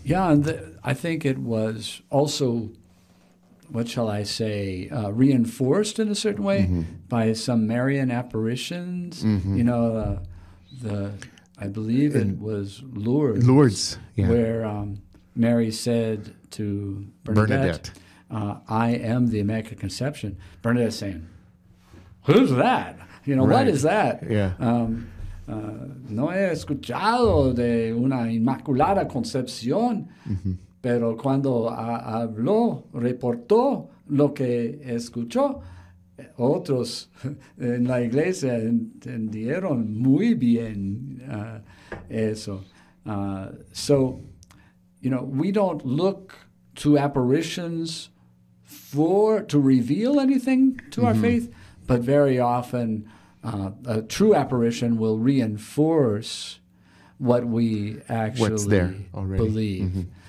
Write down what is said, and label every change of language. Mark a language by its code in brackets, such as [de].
[en] Yeah, and I think it was also, reinforced in a certain way by some Marian apparitions. Mm-hmm. You know, I believe it was Lourdes. Lourdes, yeah. Where Mary said to Bernadette, I am the Immaculate Conception. Bernadette saying, who's that? You know, right. What is that? Yeah. [es] No he escuchado de una Inmaculada Concepción, pero cuando habló, reportó lo que escuchó, otros en la iglesia entendieron muy bien eso. [en] So, you know, we don't look to apparitions to reveal anything to our faith, but very often a true apparition will reinforce what we actually believe.